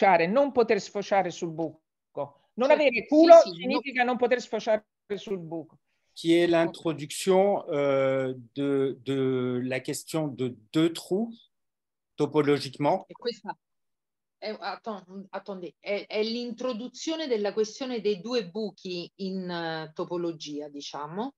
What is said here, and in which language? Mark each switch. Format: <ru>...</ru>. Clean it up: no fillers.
<it>non poter sfociare sul buco. Non avere culo significa non poter sfociare sul buco.</it> <fr>Qui est l'introduction de la question de deux trous topologiquement.</fr> <it>E questa è l'introduzione della questione dei due buchi in topologia, diciamo.</it>